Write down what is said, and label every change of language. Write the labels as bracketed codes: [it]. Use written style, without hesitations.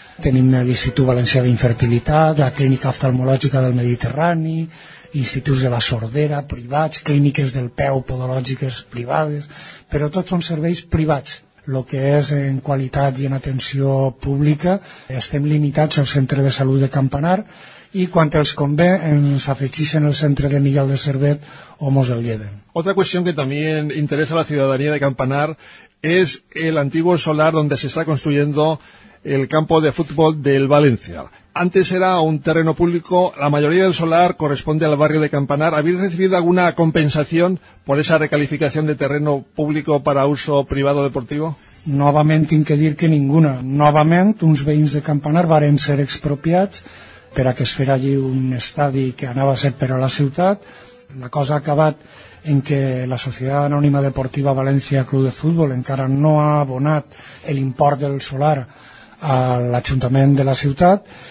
[ca] Tenim l'Institut Valencià d'Infertilitat, la Clínica Oftalmològica del Mediterrani, instituts de la sordera privats, clíniques del peu podològiques privades, però tots són serveis privats. El que és en qualitat i en atenció pública, estem limitats al centre de salut de Campanar i quan els convé ens afegeixen al centre de Miguel de Servet o mos el lleven. [es] Otra cuestión que también interesa a la ciudadanía de Campanar es el antiguo solar donde se está construyendo el campo de fútbol del Valencia. Antes era un terreno público, la mayoría del solar corresponde al barrio de Campanar. ¿Habéis recibido alguna compensación por esa recalificación de terreno público para uso privado deportivo? [ca] Novament tinc que dir que ninguna. Novament, uns veïns de Campanar varen ser expropiats per a que es fera allí un estadi que anava a ser per a la ciutat. La cosa ha acabat en que la Societat Anònima Deportiva València Club de Futbol encara no ha abonat l'import del solar a l'Ajuntament de la ciutat.